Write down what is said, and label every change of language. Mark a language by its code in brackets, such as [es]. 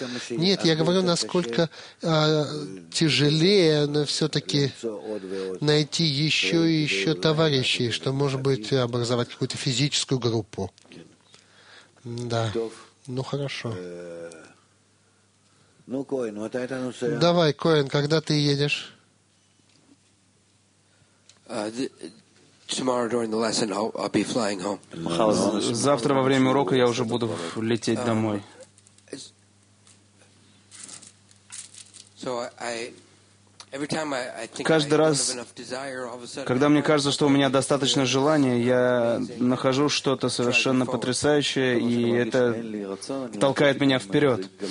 [ru] Нет, я говорю, насколько тяжелее, но все-таки найти еще и еще товарищей, что, может быть, образовать какую-то физическую группу. Да, ну хорошо. Ну, Коэн, вот это ну все. Давай, Коэн, когда ты едешь? [en] Tomorrow during the lesson I'll be flying home. [ru] Завтра во время урока я уже буду лететь домой. [en] So I every time I think [ru] каждый раз, когда мне кажется, что у меня достаточно желания, я нахожу что-то совершенно потрясающее, и это толкает меня вперед.